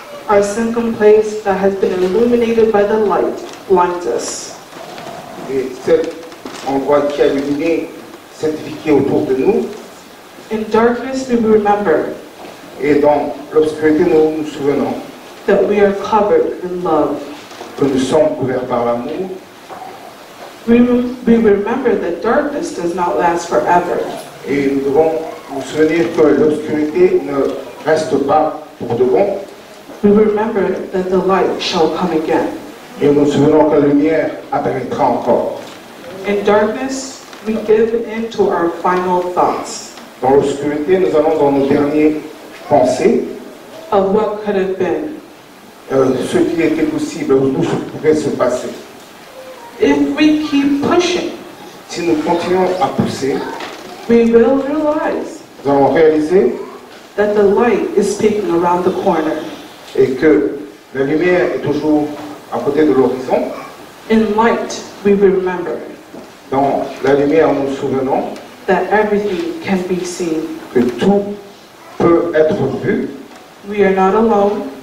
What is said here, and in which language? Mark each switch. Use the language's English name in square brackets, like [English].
[English] Our sunken place that has been illuminated by the light blinds us. [French] Et cet endroit qui a illuminé cette vitrine autour de nous. [English] In darkness we remember. [French] Et dans l'obscurité nous nous souvenons. [English] That we are covered in love. [French] Que nous sommes couverts par l'amour. [English] We remember that darkness does not last forever. [French] Et nous devons nous souvenir que l'obscurité ne reste pas pour de bon. [English] We remember that the light shall come again. [French] Et nous souvenons que la lumière apparaîtra encore. [English] In darkness, we give in to our final thoughts. [French] Dans l'obscurité, nous allons dans nos dernières pensées. [English] Of what could have been. [French] Ce qui était possible, où ce pouvait se passer. [English] If we keep pushing, [French] si nous continuons à pousser, [English] we will realize [French] nous allons réaliser [English] that the light is peeking around the corner. [French] Et que la lumière est toujours à côté de l'horizon. [English] In light, we remember [French] dans la lumière, nous souvenons [English] that everything can be seen. [French] Que tout peut être vu. [English] We are not alone.